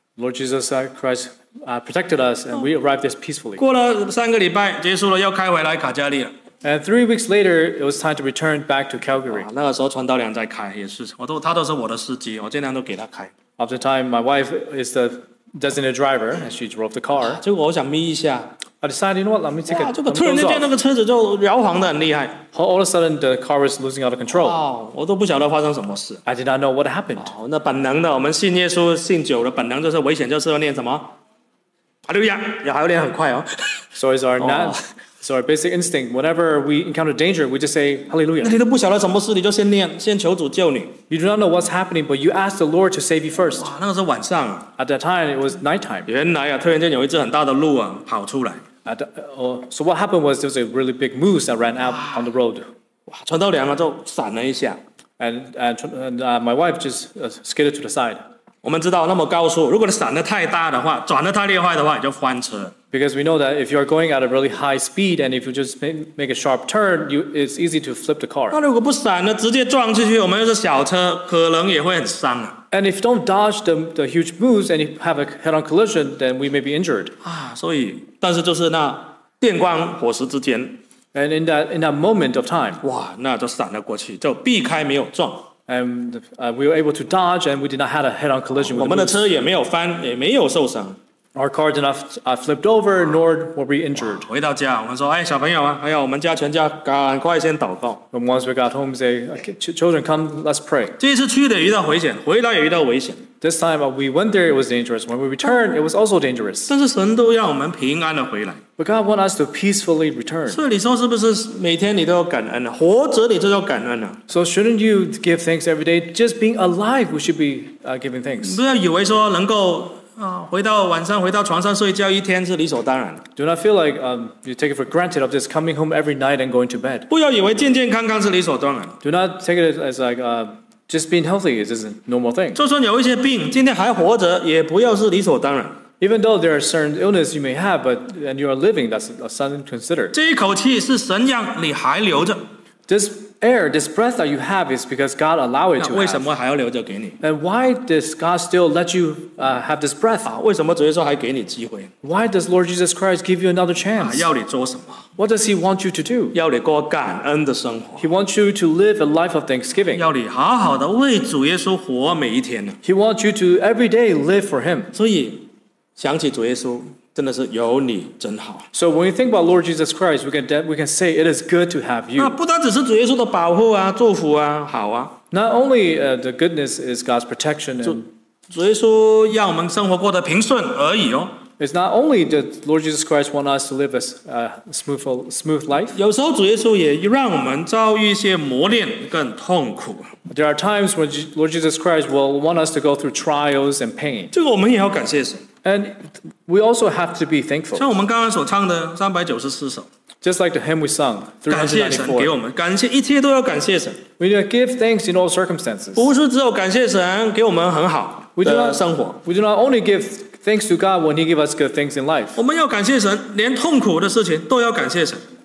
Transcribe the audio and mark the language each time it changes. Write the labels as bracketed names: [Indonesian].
[English] Lord Jesus Christ protected us, and we arrived this peacefully. [Chinese] 过了3个礼拜, 结束了, 又开回来卡加利了, [English] and 3 weeks later, it was time to return back to Calgary. [Chinese] 啊, 那个时候传道良在开, 也是, 我都, 他都是我的司机, 我尽量都给他开。 [English] Of the time, my wife is the designated driver, and she drove the car. [Chinese] 啊, 结果我想眯一下, [English] I decided, you know what, let me take it. [Chinese] 突然间那个车子就摇晃得很厉害。 [English] All of a sudden, the car was losing out of control. [Chinese] 哇, 我都不晓得发生什么事。 [English] I did not know what happened. [Chinese] 哦, 那本能的, 我们信耶稣, 信久的, 本能就是, 危险就是要念什么? 啊, 要念很快哦。 [English] So is our net. So our basic instinct, whenever we encounter danger, we just say, hallelujah. [Chinese] 你都不晓得什么事,你就先念,先求主救你。 [English] You do not know what's happening, but you ask the Lord to save you first. [Chinese] 哇, 那个是晚上, [English] at that time, it was nighttime. [Chinese] 原来啊, 突然间有一只很大的鹿啊, 跑出来。 [English] So what happened was, there was a really big moose that ran out on the road. [Chinese] 哇, 传道良啊,就闪了一下。 [English] And my wife just skidded to the side. [Chinese] 我们知道那么高速, 如果你闪得太大的话, 转得太厉害的话, 你就翻车。 [English] Because we know that if you're going at a really high speed and if you just make a sharp turn, it's easy to flip the car. [Chinese] 那如果不闪呢, 直接撞进去, 我们又是小车, 可能也会很伤。 [English] And if you don't dodge the huge moves and you have a head-on collision, then we may be injured. [Chinese] 啊, 所以, 但是就是那电光火石之间, [English] and in that moment of time, [Chinese] 哇, 那就闪了过去, 就避开没有撞。 [English] And we were able to dodge and we did not have a head-on collision. [Chinese] 我们的车也没有翻, 也没有受伤。 [English] Our car did not flipped over, nor were we injured. [Chinese] 回到家, 我们说, 哎, 小朋友啊, 哎呀, 我们家全家, 赶快先祷告。 [English] And once we got home, we say, children, come, let's pray. [Chinese] 这一次去的遇到危险, 回来也遇到危险。 [English] This time we went there, it was dangerous. When we returned, it was also dangerous. [Chinese] 但是神都让我们平安地回来。 [English] But God wants us to peacefully return. [Chinese] 所以你说是不是每天你都要感恩, 活着你就要感恩啊。 [English] So shouldn't you give thanks every day? Just being alive, we should be giving thanks. [Chinese] 不要以为说能够, 回到床上睡觉一天是理所当然的。 [English] Do not feel like you take it for granted of just coming home every night and going to bed. [Chinese] 不要以为健健康康是理所当然的。 [English] Do not take it as like just being healthy is a normal thing. [Chinese] 就算有一些病, 今天还活着, 也不要是理所当然。 [English] Even though there are certain illness you may have, but and you are living, that's something considered. [Chinese] 这一口气是神让你还留着。 [English] This air, this breath that you have is because God allowed it to have. [Chinese] 那为什么还要留着给你? [English] And why does God still let you have this breath? [Chinese] 啊, 为什么主耶稣还给你机会? [English] Why does Lord Jesus Christ give you another chance? [Chinese] 啊, 要你做什么? [English] What does he want you to do? [Chinese] 要你过感恩的生活。 [English] He wants you to live a life of thanksgiving. [Chinese] 要你好好地为主耶稣活每一天。 [English] He wants you to every day live for him. [Chinese] 所以, 想起主耶稣真的是有你真好。 [English] So when you think about Lord Jesus Christ, we can say it is good to have you. [Chinese] 那不单只是主耶稣的保护啊，祝福啊，好啊。 [English] Not only the goodness is God's protection. [Chinese] 主耶稣要我们生活过得平顺而已哦。 [English] It's not only that Lord Jesus Christ want us to live a smooth life. [Chinese] 有时候主耶稣也让我们遭遇一些磨练跟痛苦。 [English] There are times when Lord Jesus Christ will want us to go through trials and pain. [Chinese] 这个我们也要感谢神。 [English] And we also have to be thankful. [Chinese] 像我们刚刚所唱的 394首。 [English] Just like the hymn we sung, [Chinese] 感谢神给我们，感谢一切都要感谢神。 [English] We need to give thanks in all circumstances. [Chinese] 不是只有感谢神给我们很好的生活。 [English] We do not only give thanks to God when he gives us good things in life. [Chinese] 我们要感谢神，连痛苦的事情都要感谢神。